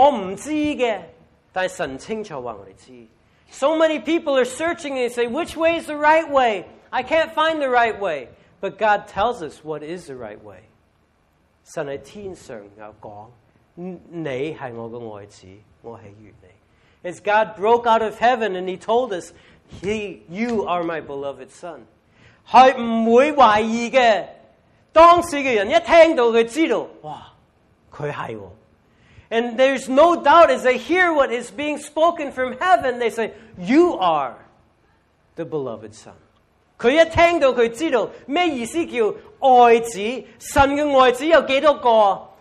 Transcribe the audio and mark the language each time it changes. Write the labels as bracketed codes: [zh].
[zh] 人家在人生上说,哪一个宗教是对的,哪一条路是对的,我不知道的,但神清楚告诉我们知. [en] So many people are searching and they say, which way is the right way? I can't find the right way. But God tells us what is the right way. [zh] 神在天上有說,你是我的愛子,我喜悅你. [en] As God broke out of heaven and he told us, you are my beloved son. [zh] 是不會懷疑的,當時的人一聽到他知道,哇,他是我. [en] And there's no doubt as they hear what is being spoken from heaven, they say, you are the beloved son. [zh] 他一聽到他知道什麼意思叫愛子,神的愛子有多少個?